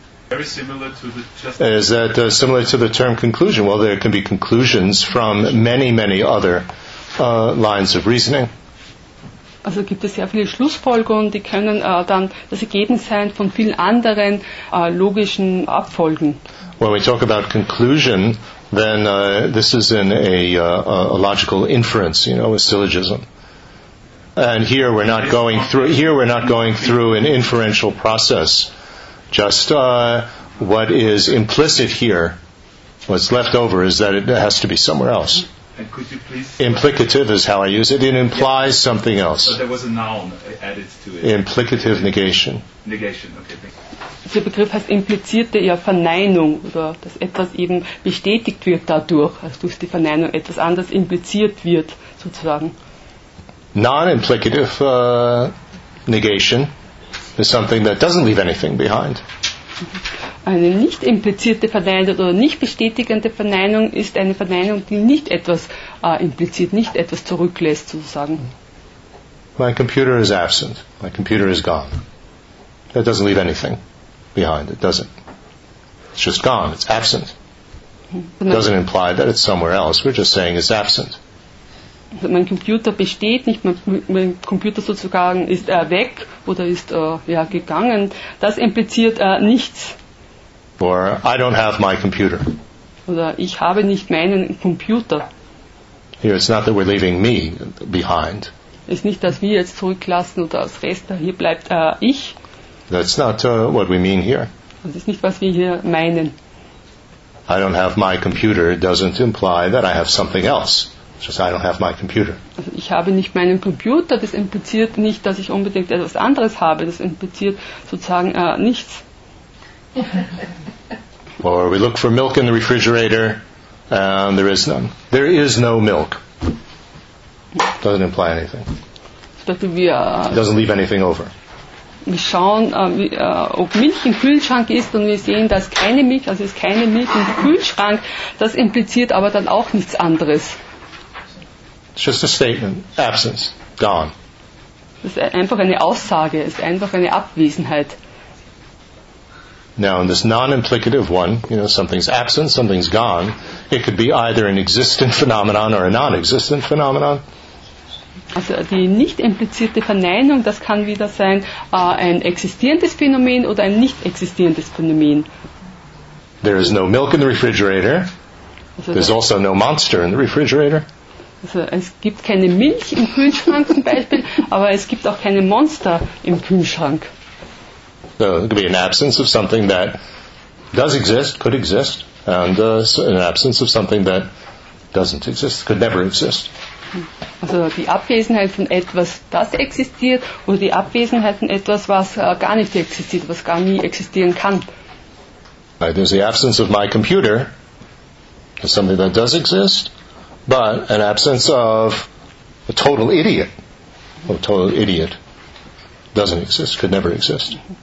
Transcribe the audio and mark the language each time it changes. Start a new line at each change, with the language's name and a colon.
English: Is that similar to the term conclusion? Well, there can be conclusions from many, many other lines of reasoning. Also gibt es sehr viele Schlussfolgerungen, die können dann das Ergebnis sein von vielen anderen logischen Abfolgen. When we talk about conclusion, then this is in a logical inference, you know, a syllogism. And here we're not going through. Here we're not going through an inferential process. Just what is implicit here, what's left over, is that it has to be somewhere else. And could you please implicative is how I use it. It implies something else. So there was a noun added to it. Implicative negation. Negation. Okay. Thank you.
German: Der Begriff heißt implizierte ja Verneinung oder dass etwas eben bestätigt wird dadurch, also durch die Verneinung etwas anderes impliziert wird sozusagen.
English: Non-implicative negation is something that doesn't leave anything behind.
German: Eine nicht implizierte Verneinung oder nicht bestätigende Verneinung ist eine Verneinung, die nicht etwas impliziert, nicht etwas zurücklässt, sozusagen.
English: My computer is absent. My computer is gone. That doesn't leave anything behind it, does it? It's just gone. It's absent. It doesn't imply that it's somewhere else. We're just saying it's absent.
German: Mein Computer besteht nicht, mein Computer sozusagen ist weg oder ist gegangen. Das impliziert nichts.
English: Or, I don't have my computer.
German: Oder ich habe nicht meinen Computer.
English: Here it's not that we're leaving me behind.
German: Es ist nicht, dass wir jetzt zurücklassen oder als Rest, hier bleibt ich.
English: That's not what we mean here.
German: Das ist nicht, was wir hier meinen.
English: I don't have my computer doesn't imply that I have something else. Just I don't have my computer.
German: Also ich habe nicht meinen Computer. Das impliziert nicht, dass ich unbedingt etwas anderes habe. Das impliziert sozusagen nichts.
English: Or we look for milk in the refrigerator, and there is none. There is no milk. Doesn't imply anything. Doesn't leave anything over.
German: Wir schauen, ob Milch im Kühlschrank ist, und wir sehen, dass keine Milch, also es ist keine Milch im Kühlschrank. Das impliziert aber dann auch nichts anderes.
English: It's just a statement. Absence. Gone.
German: Das ist einfach eine Aussage. Es ist einfach eine Abwesenheit.
English: Now, in this non-implicative one, you know, something's absent, something's gone. It could be either an existent phenomenon or a non-existent phenomenon.
German: Also die nicht implizierte Verneinung, das kann wieder sein ein existierendes Phänomen oder ein nicht existierendes Phänomen.
English: There is no milk in the refrigerator. Also there's also no monster in the refrigerator.
German: Also es gibt keine Milch im Kühlschrank zum Beispiel, aber es gibt auch keine Monster im Kühlschrank.
English: So it could be an absence of something that does exist, could exist, and an absence of something that doesn't exist, could never exist.
German: Also die Abwesenheit von etwas, das existiert, oder die Abwesenheit von etwas, was gar nicht existiert, was gar nie existieren kann.
English: Right, there's the absence of my computer, is something that does exist, but an absence of a total idiot, or a total idiot, doesn't exist, could never exist.